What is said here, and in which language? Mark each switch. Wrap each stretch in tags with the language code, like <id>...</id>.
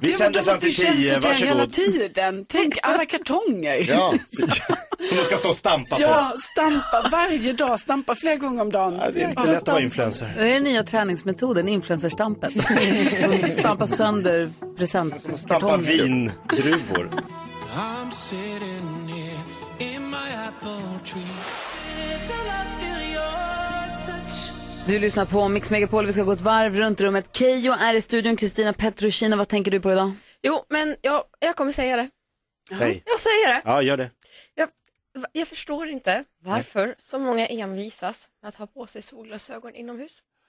<sv>Vi sänder fram till 10, varsågod. Hela tiden. Tänk alla kartonger. Ja. Som du ska stå och stampa på. Ja, stampa varje dag. Stampa flera gånger om dagen. Det är inte lätt att vara influencer. Det är den nya träningsmetoden, influencerstampen. Stampa sönder presentkartonger. Stampa vindruvor.</sv> <en>I'm sitting here in my apple tree.</en> <sv>Du lyssnar på Mix Megapol, vi ska gå ett varv runt rummet. Keio är i studion, Kristina Petrushina, vad tänker du på idag? Jo, men jag kommer säga det. Säg. Jag säger det. Ja, gör det. Jag förstår inte varför så många envisas med att ha på sig solglasögon inomhus.</sv>